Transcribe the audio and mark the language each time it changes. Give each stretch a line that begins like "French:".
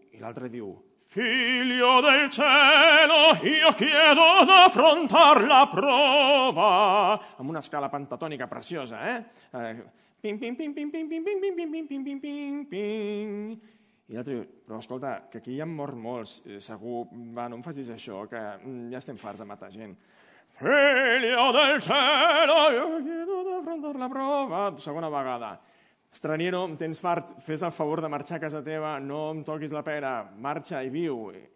Catalan: I l'altre diu
Italian: Filio del cielo, io chiedo d'affrontar la prova.
Catalan: Amb una escala pentatònica preciosa, eh? Ping, ping, ping, ping, ping, ping, ping, ping, ping, ping, ping, ping, ping, ping. I l'altre diu, però escolta, que aquí hi ha mort molts, segur, va, no em facis això, que ja estem farts de matar gent.
Italian: Filio del cielo, io chiedo d'affrontar la prova.
Catalan: Segona vegada. Straniero, em tens fart, fes el favor de marxar a casa teva, no em toquis la pera, marxa i viu.